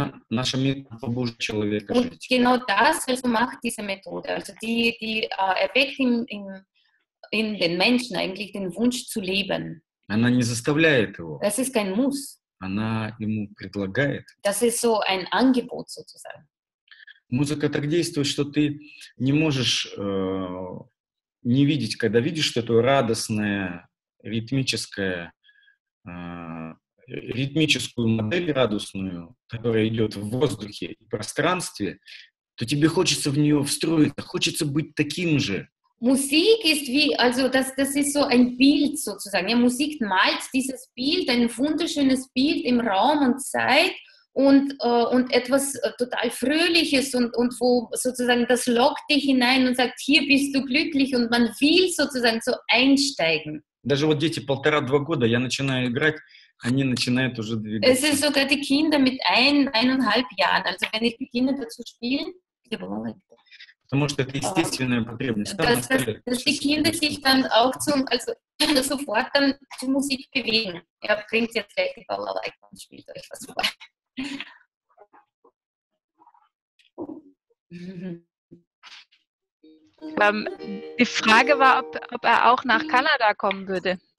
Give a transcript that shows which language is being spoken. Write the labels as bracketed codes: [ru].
[ru] наша метода побуждает человека жить. [de] Genau das, was macht diese Methode. Also die erweckt in den Menschen eigentlich den Wunsch zu leben. [ru] Она не заставляет его. [de] Das ist kein Muss. [ru] Она ему предлагает. [de] Das ist so ein Angebot sozusagen. [ru] Музыка так действует, что ты не можешь не видеть, когда видишь эту радостную ритмическую ритмическую модель радостную, которая идет в воздухе и пространстве, то тебе хочется в нее встроиться, хочется быть таким же. [de] Musik ist wie, also das ist so ein Bild sozusagen. Ja, Musik malt dieses Bild, ein wunderschönes Bild im Raum und Zeit und etwas total Fröhliches und wo sozusagen das lockt dich hinein und sagt, hier bist du glücklich und man will sozusagen so einsteigen. [ru] Даже вот дети полтора-два года, я начинаю играть, они начинают уже двигаться. [de] Es ist sogar die Kinder mit eineinhalb Jahren. Also wenn ich beginne dazu spielen, [ru] потому что это естественная потребность. [de] Dass die Kinder sich dann auch zum, also sofort dann zur Musik bewegen. Ja, bringt jetzt gleich die Balalaika und spielt euch was vor. Die Frage war, ob er auch nach Kanada kommen würde.